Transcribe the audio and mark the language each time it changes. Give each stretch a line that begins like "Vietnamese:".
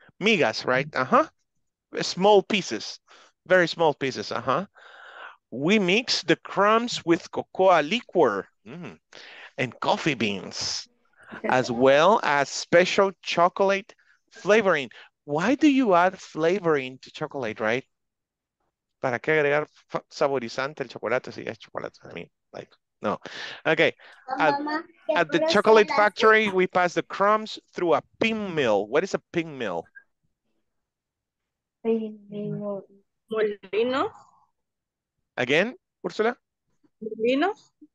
English: Migas, right? Uh-huh. Small pieces. Very small pieces, uh-huh. We mix the crumbs with cocoa liquor and coffee beans, as well as special chocolate flavoring. Why do you add flavoring to chocolate, right? Because
Spanish: ¿Para qué agregar saborizante al chocolate si es chocolate?
English: I mean, like, no. Okay. At the chocolate factory, we pass the crumbs through a pin mill. What is a pin mill?
Spanish: Molino.
English: Again, Úrsula?
Spanish: Molinos.